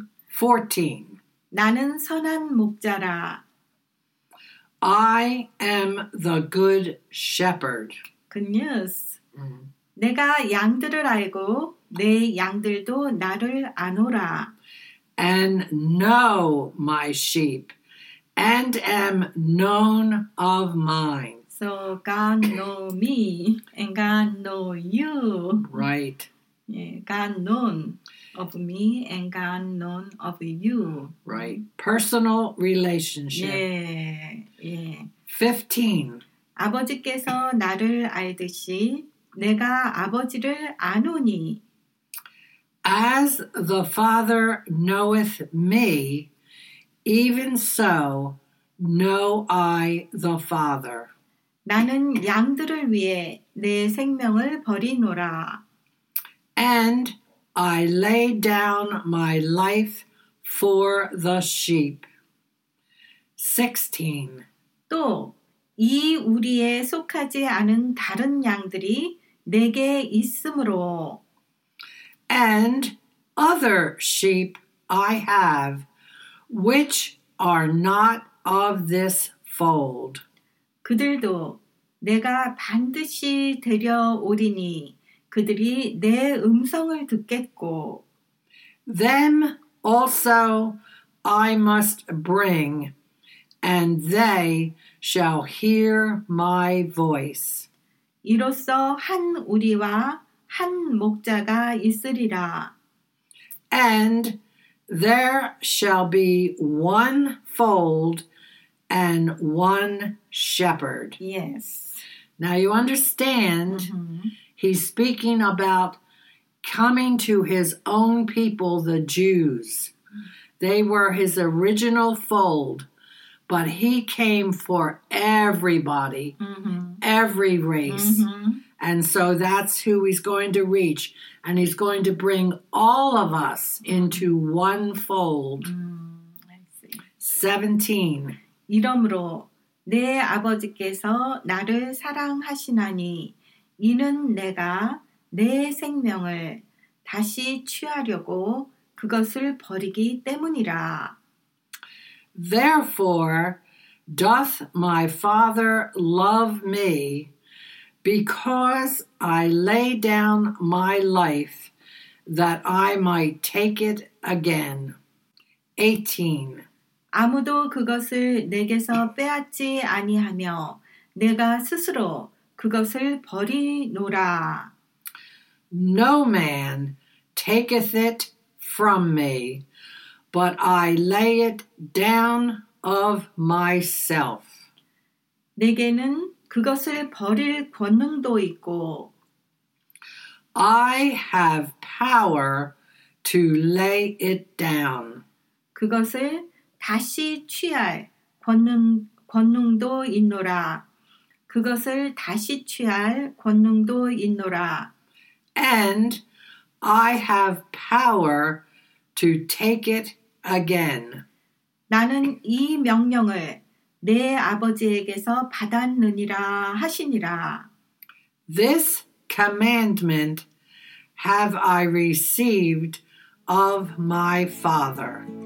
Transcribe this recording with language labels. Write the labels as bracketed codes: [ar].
[en] 14. [ko] 나는 선한 목자라. [en] I am the good shepherd. Good news. [ko] 내가 양들을 알고 내 양들도 나를 아노라. [en] And know my sheep, and am known of mine. So God know me, and God know you. Right. Yeah, God known of me, and God known of you. Right. Personal relationship. Yeah. 15. [ko] 아버지께서 나를 알듯이 내가 아버지를 아노니. [en] As the Father knoweth me, even so know I the Father. [ko] 나는 양들을 위해 내 생명을 버리노라. [en] And I lay down my life for the sheep. 16. [ko] 또 이 우리에 속하지 않은 다른 양들이 내게 있으므로. [en] And other sheep I have, which are not of this fold. [ko] 그들도 내가 반드시 데려오리니 그들이 내 음성을 듣겠고. [en] Them also I must bring, and they shall hear my voice. [ko] 이로써 한 우리와 한 목자가 있으리라. [en] And there shall be one fold and one shepherd. Yes. Now you understand, mm-hmm. he's speaking about coming to his own people, the Jews. They were his original fold, but he came for everybody, mm-hmm. every race. Mm-hmm. And so that's who he's going to reach. And he's going to bring all of us into one fold. Mm, I see. 17. [ko] 이러므로 내 아버지께서 나를 사랑하시나니 이는 내가 내 생명을 다시 취하려고 그것을 버리기 때문이라. [en] Therefore doth my Father love me, because I lay down my life that I might take it again. 18. [ko] 아무도 그것을 내게서 빼앗지 아니하며 내가 스스로 그것을 버리노라. [en] No man taketh it from me, but I lay it down of myself. [ko] 내게는 그것을 버릴 권능도 있고. [en] I have power to lay it down. [ko] 그것을 다시 취할 권능도 있노라. 그것을 다시 취할 권능도 있노라. [en] And I have power to take it again. [ko] 나는 이 명령을 내 아버지에게서 받았느니라 하시니라. [en] This commandment have I received of my Father.